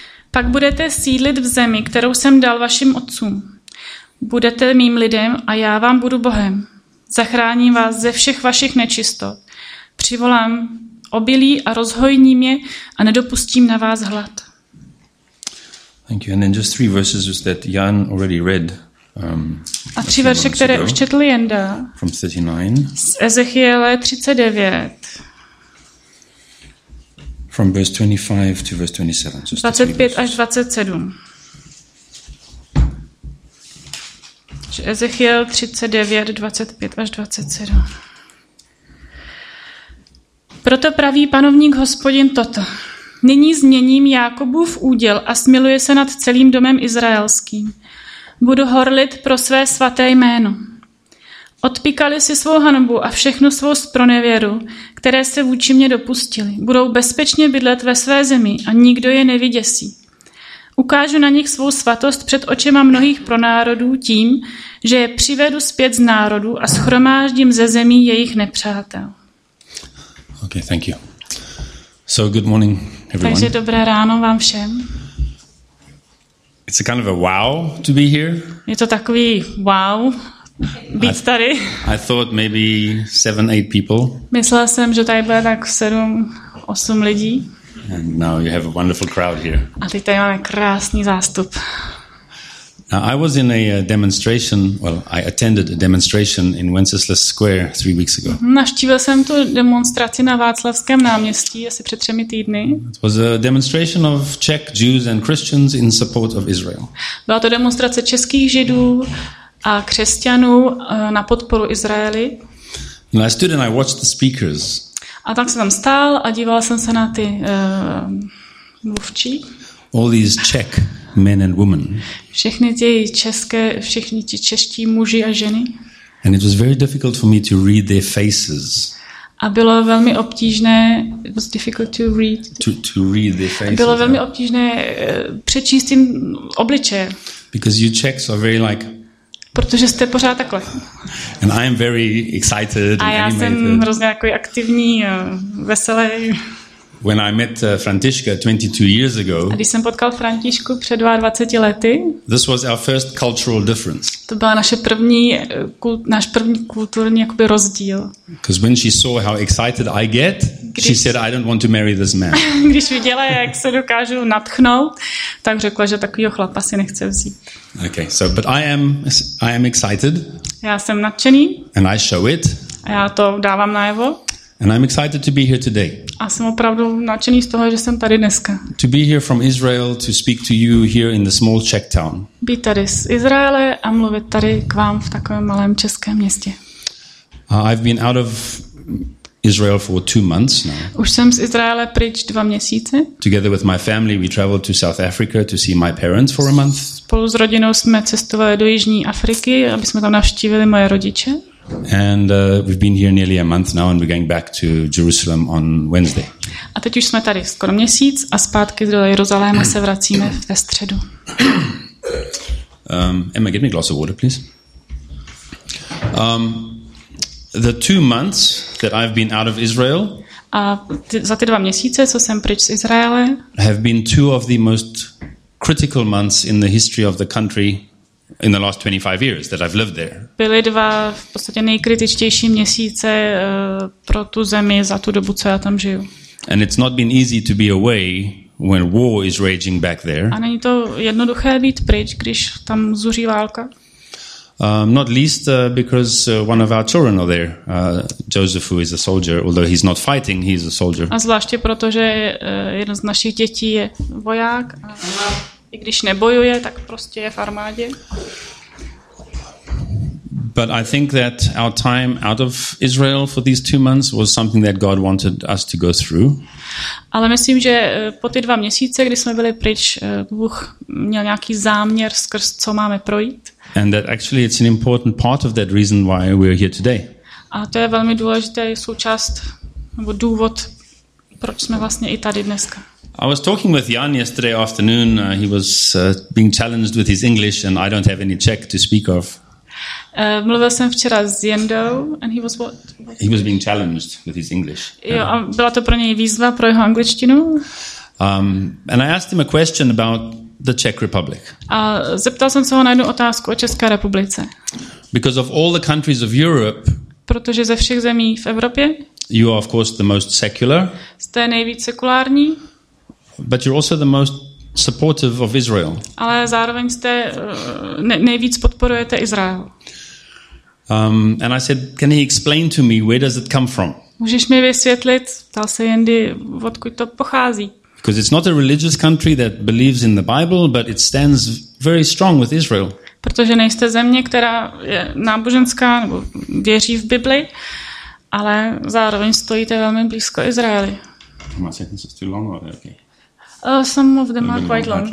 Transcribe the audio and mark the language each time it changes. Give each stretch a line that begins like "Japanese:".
Czech: Pak budete sídlit v zemi, kterou jsem dal vašim otcům. Budete mým lidem a já vám budu Bohem. Zachráním vás ze všech vašich nečistot. Přivolám obilí a rozhojním je a nedopustím na vás hlad.
English: Thank you. And then just three verses that Jan already read.
Czech: A tři verše, které už četl Jenda.
English: From 39.
Czech: Z Ezechiele 39.
English: From verse 25 to verse 27.
Czech: 25 až 27. Ezechiel 39, 25 až 27. Proto praví panovník Hospodin toto. Nyní změním Jákobův úděl a smiluje se nad celým domem izraelským. Budu horlit pro své svaté jméno. Odpíkali si svou hanbu a všechnu svou spronevěru, které se vůči mě dopustili. Budou bezpečně bydlet ve své zemi a nikdo je nevyděsí. Ukážu na nich svou svatost před očima mnohých pronárodů tím, že je přivedu zpět z národů a shromáždím ze zemí jejich nepřátel.
English: Okay, thank you. So good morning, everyone.
Czech: Takže dobré ráno vám všem.
English: It's a kind of a wow to be here.
Czech: Je to takový wow být tady.
English: I thought maybe 7-8 people.
Czech: Myslela jsem, že tady bude tak 7-8 lidí.
English: And now you have a wonderful crowd here.
Czech: A teď tady máme krásný zástup.
English: Now, I was in a demonstration, well, I attended a demonstration in Wenceslas Square 3 weeks ago.
Czech: Navštívil jsem tu demonstraci na Václavském náměstí asi před 3 týdny.
English: It was a demonstration of Czech Jews and Christians in support of Israel.
Czech: Byla to demonstrace českých Židů a křesťanů na podporu Izraeli.
English: And I stood and I watched the speakers.
Czech: A tak jsem tam stál a díval jsem se na ty mluvčí.
English: All these Czech men and women.
Czech: Všechny ty české, všichni ti čeští muži a ženy.
English: And it was very difficult for me to read their faces.
Czech: A bylo velmi obtížné,
English: it was difficult to read. To read their faces.
Czech: Bylo velmi obtížné přečíst jim obličeje.
English: Because you Czechs are very like.
Czech: Protože jste pořád takhle.
English: And I am very excited and
Czech: A já jsem hrozně jako aktivní, veselý.
English: When I met Františka 22 years ago.
Czech: A když jsem potkal Františku před 22 lety.
English: This was our first cultural difference.
Czech: To byla naše první náš první kulturní jakoby rozdíl.
English: Because when she saw how excited I get,
Czech: když,
English: she said I don't want to marry this man.
Czech: Když viděla, jak se dokážu nadchnout, tak řekla, že takovýho chlapa si nechce vzít.
English: Okay, so but I am excited.
Czech: Já jsem nadšený.
English: And I show it.
Czech: A já to dávám najevo.
English: And I'm excited to be here today.
Czech: A jsem opravdu nadšený z toho, že jsem tady dneska.
English: To be here from Israel to speak to you here in the small Czech town.
Czech: Být tady z Izraele a mluvit tady k vám v takovém malém českém městě.
English: I've been out of Israel for 2 months now.
Czech: Už jsem z Izraele pryč 2 měsíce.
English: Together with my family we traveled to South Africa to see my parents for a month.
Czech: Spolu s rodinou jsme cestovali do jižní Afriky, aby jsme tam navštívili moje rodiče.
English: And we've been here nearly a month now and we're going back to Jerusalem on Wednesday.
Czech: A teď už jsme tady skoro měsíc a zpátky do Jeruzaléma se vracíme ve středu.
English: Emma, give me a glass of water, please. The 2 months that I've been out of Israel.
Czech: A za ty 2 měsíce, co jsem pryč z Izraele,
English: have been two of the most critical months in the history of the country. In the last 25 years that I've lived there.
Czech: Byly 2 v podstatě nejkritičtější měsíce pro tu zemi za tu dobu, co já tam žiju.
English: And it's not been easy to be away when war is raging back there.
Czech: A není to jednoduché být pryč, když tam zuří válka.
English: Not least because one of our children are there. Joseph, who is a soldier, although he's not fighting, he's a soldier.
Czech: A zvláště proto, že jeden z našich dětí je voják. I když nebojuje, tak prostě je v armádě.
English: But I think that our time out of Israel for these 2 months was something that God wanted us to go through.
Czech: Ale myslím, že po ty 2 měsíce, kdy jsme byli pryč, Bůh měl nějaký záměr, skrz co máme projít.
English: And that actually it's an important part of that reason why we're here today.
Czech: A to je velmi důležitý součást nebo důvod, proč jsme vlastně i tady dneska.
English: I was talking with Jan yesterday afternoon. He was being challenged with his English, and I don't have any Czech to speak of.
Czech: Mluvil jsem včera s Jendou,
English: and he was what? He was being challenged with his English.
Czech: Jo, a byla to pro něj výzva pro jeho angličtinu.
English: And I asked him a question about the Czech Republic.
Czech: A zeptal jsem se ho na jednu otázku o České republice.
English: Because of all the countries of Europe.
Czech: Protože ze všech zemí v Evropě.
English: You are, of course, the most secular.
Czech: Jste nejvíc sekulární.
English: But you're also the most supportive of Israel.
Czech: Ale zároveň jste nejvíc podporujete Izrael.
English: And I said, can he explain to me where does it come from?
Czech: Můžeš mi vysvětlit, ptal se Jendy, odkud to pochází?
English: Because it's not a religious country that believes in the Bible, but it stands very strong with Israel.
Czech: Protože nejste země, která je náboženská nebo věří v Bibli, ale zároveň stojíte velmi blízko Izraeli.
English: My sentence is too long, or okay. Some of them are quite long.